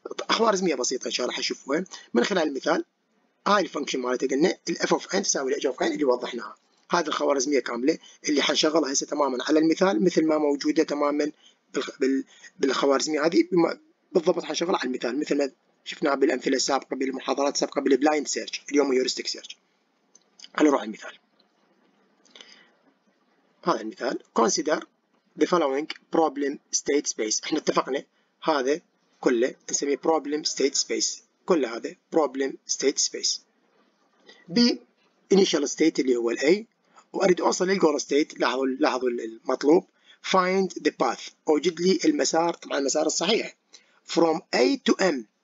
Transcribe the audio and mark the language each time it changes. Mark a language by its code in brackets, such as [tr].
[ar] خوارزميه بسيطه ان شاء الله حشوفوها من خلال المثال. هاي الفانكشن مالتها قلنا الاف اوف ان تساوي الاف اوف ان اللي وضحناها. هذه الخوارزمية كاملة اللي حنشغلها هسه تماما على المثال مثل ما موجودة تماما بالخوارزمية هذه بالضبط، حنشغلها على المثال مثل ما شفناها بالأمثلة السابقة بالمحاضرات السابقة بالبلايند سيرش، اليوم هيورستيك سيرش. خلينا نروح على المثال. هذا المثال [en] consider the following problem state space. [ar] احنا اتفقنا هذا كله نسميه problem state space، كل هذا problem state space. ب initial state اللي هو الأي، واريد اوصل للجول ستيت. لاحظوا المطلوب [en] find the path، [ar] اوجد لي المسار، طبعا المسار الصحيح [en] from a to m.